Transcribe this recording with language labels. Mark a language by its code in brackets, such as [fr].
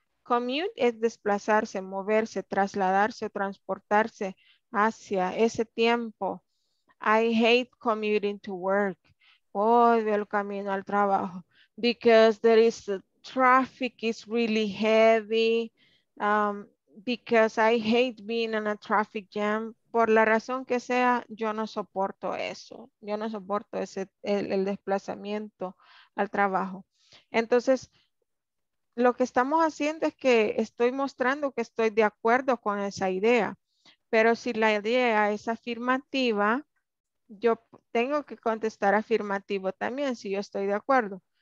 [es] Commute es desplazarse, moverse, trasladarse, transportarse hacia ese tiempo. [en] I hate commuting to work. [es] Odio el camino al trabajo. [en] Because there is the traffic is really heavy. Because I hate being in a traffic jam. [es] Por la razón que sea, yo no soporto eso. Yo no soporto el desplazamiento al trabajo. Entonces, lo que estamos haciendo es que estoy mostrando que estoy de acuerdo con esa idea. Pero si la idea es afirmativa, yo tengo que contestar afirmativo también si yo estoy de acuerdo.